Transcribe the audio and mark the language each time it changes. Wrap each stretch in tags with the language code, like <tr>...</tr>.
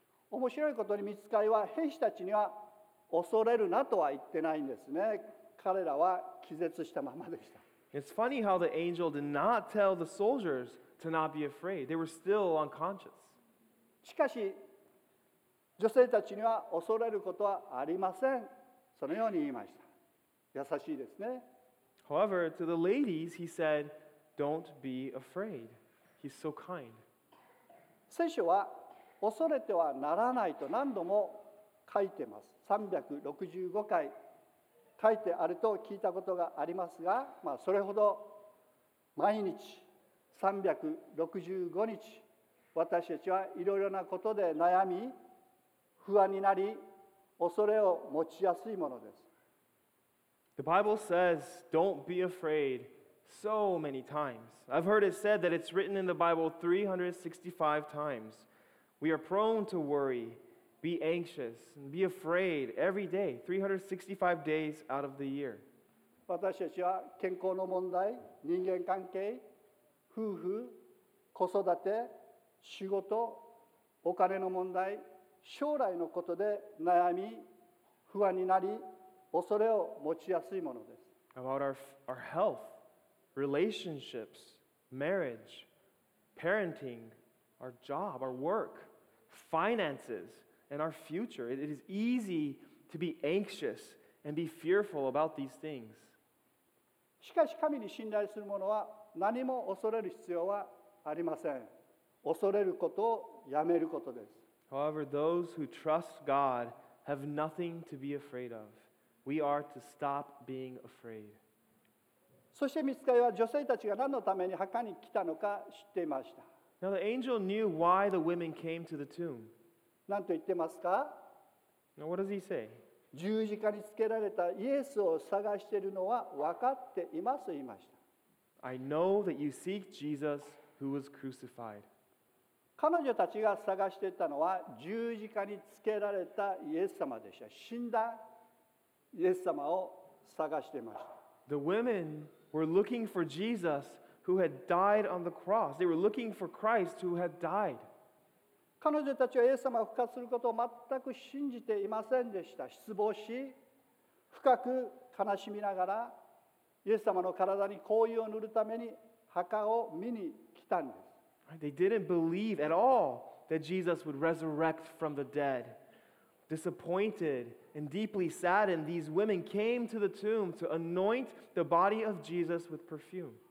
<ja>面白いことに御使いは兵士たちには恐れるなとは言ってないんですね。彼らは気絶したままでした。</ja> <en>It's funny how the angel did not tell the soldiers. To not be afraid. They were still unconscious.</en> <ja>しかし、女性たちには恐れることはありません。そのように言いました。優しいですね。</ja> <en>However, to the ladies, he said, Don't be afraid. He's so kind.</en> <ja>聖書は恐れてはならないと何度も書いてます。 365回書いてあると聞いたことがありますが、まあ、それほど毎日365日私たちはいろいろなことで悩み不安になり恐れを持ちやすいものです。</ja> <en>The Bible says, don't be afraid so many times. I've heard it said that it's written in the Bible 365 times. We are prone to worry, be anxious, and be afraid every day, 365 days out of the year.</en> <ja>私たちは健康の問題、人間関係、夫婦、子育て、仕事、お金の問題、将来のことで悩み、不安になり、恐れを持ちやすいものです。</ja> <en>About our health, relationships, marriage, parenting, our job, our work, finances, and our future. It is easy to be anxious and be fearful about these things.</en> <ja>しかし神に信頼するものは何も恐れる必要はありません。恐れることをやめることです。</ja> <en>However, those who trust God have nothing to be afraid of. We are to stop being afraid.</en> <ja>そして御使いは女性たちが何のために墓に来たのか知っていました。</ja> <en>Now the angel knew why the women came to the tomb.</en> <ja>何と言ってますか?</ja> <en>Now what does he say?</en> <ja>十字架につけられたイエスを探しているのは分かっていますと言いました。</ja> <en>I know that you seek Jesus who was crucified.</en> <ja>彼女たちが探していたのは十字架につけられたイエス様でした。死んだイエス様を探していました。</ja> <en>The women were looking for Jesus who had died on the cross. They were looking for Christ who had died.</en> <ja>彼女たちはイエス様を復活することを全く信じていませんでした。失望し、深く悲しみながらイエス様の体に香油を塗るために墓を見に来たんです。</ja> <en>They didn't believe at all that Jesus would resurrect from the dead. Disappointed and deeply saddened, these women came to the tomb to anoint the body of Jesus with perfume.</en>